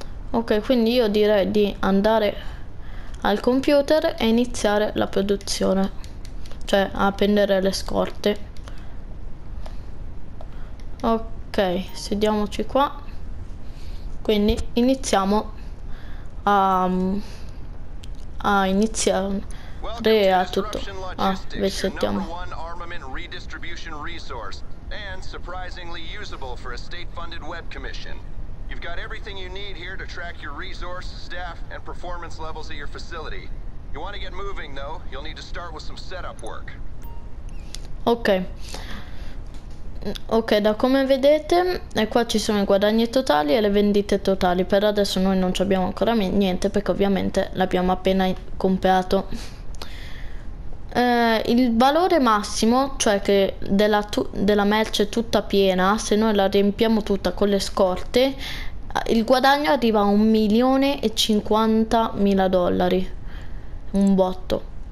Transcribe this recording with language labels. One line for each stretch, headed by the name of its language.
Italian: Ok, quindi io direi di andare al computer e iniziare la produzione, cioè a prendere le scorte. Ok, sediamoci qua. Quindi iniziamo a iniziare a tutto. Ah, sentiamo.
English: Redistribution resource and surprisingly usable for a state-funded web commission. You've got everything you need here to track your resource, staff, and performance levels at your facility. You want to get moving though, you'll need to start with some setup work. Ok.
Italian: Ok, da come vedete, e qua ci sono i guadagni totali e le vendite totali. Per adesso noi non ci abbiamo ancora niente perché ovviamente l'abbiamo appena comprato. Il valore massimo, cioè che della merce tutta piena, se noi la riempiamo tutta con le scorte, il guadagno arriva a 1.050.000 dollari. Un botto.